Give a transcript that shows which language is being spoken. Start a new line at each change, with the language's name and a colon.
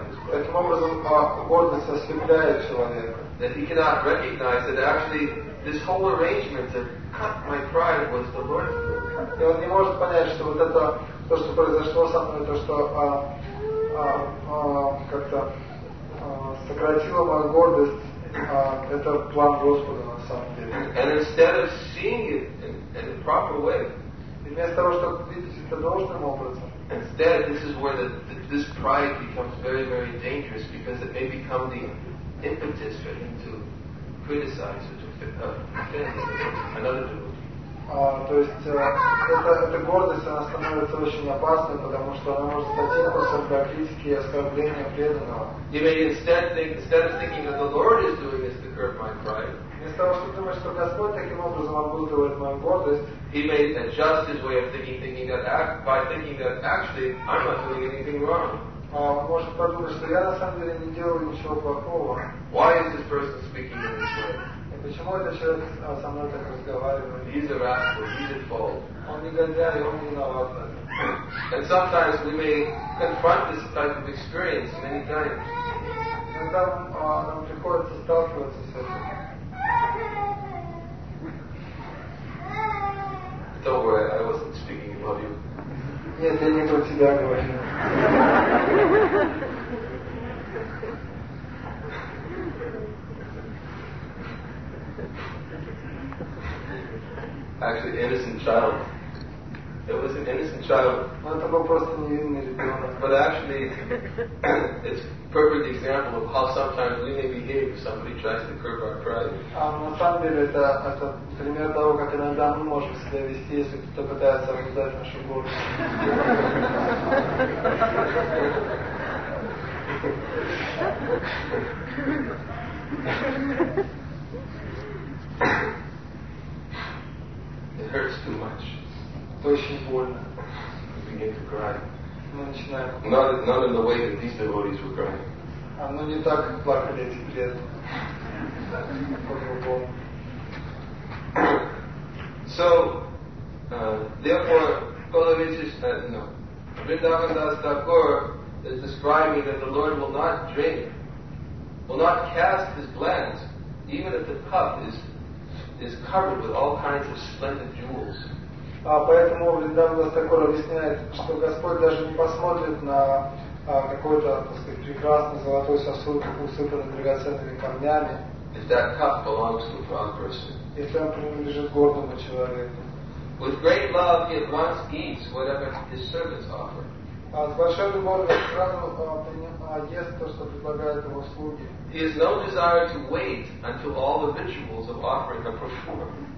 Russian: Таким образом, гордость ослепляет человека.
English: That he cannot recognize that actually this whole arrangement to cut my pride was the Lord's will.
Russian: И он не может понять, что вот это то, что произошло со мной, то, что как-то сократило мою гордость, это план Господа на самом деле.
English: And instead of seeing it in the proper way,
Russian: вместо того, чтобы видеть это должным образом,
English: instead this is where this pride becomes very, very dangerous because it may become the impetus for him to criticize or to another devotee.
Russian: То есть эта гордость она становится очень опасной, потому что она может стать импульсом для критики и оскорбления преданного.
English: You may instead of thinking that the Lord is doing this to curb my pride,
Russian: вместо того, чтобы думать, что Господь таким образом обуздывает мою гордость,
English: he may adjust his way of thinking that actually I'm not doing anything wrong.
Russian: Может подумать, что я на самом деле не делаю ничего плохого.
English: Why is this person speaking in this way?
Russian: И почему этот человек со мной так разговаривает?
English: He's a rascal, he's at fault.
Russian: Он негодяй, он виноват.
English: And sometimes we may confront this type of experience many times.
Russian: Иногда нам приходится сталкиваться с этим.
English: Don't worry, I wasn't speaking about you.
Russian: Нет, я не про тебя говорю.
English: Actually, innocent child. It was an innocent child.
Russian: Это был просто невинный ребенок.
English: But actually, it's a perfect example of how sometimes we may behave if somebody tries to curb our pride.
Russian: На самом деле, это пример того, как иногда мы можем себя вести, если кто-то пытается обуздать нашу гордость.
English: It hurts too much.
Russian: Очень больно.
English: We begin to cry.
Russian: Мы начинаем.
English: Not in the way that these devotees were crying.
Russian: А ну не так плакали эти преданные. По-другому.
English: So, therefore, Vrindavan Das Thakur is describing that the Lord will not drink, will not cast his glance, even if the cup is covered with all kinds of splendid jewels.
Russian: Поэтому Вриндаван Дас Такур объясняет, что Господь даже не посмотрит на какой-то, так сказать, прекрасный золотой сосуд, усыпанный драгоценными камнями,
English: if that cup belongs to a proud person.
Russian: Если он принадлежит гордому человеку.
English: With great love he at once eats whatever his servants offer.
Russian: С большой любовью сразу ест то, что предлагают его слуги.
English: He has no desire to wait until all the rituals of offering are performed.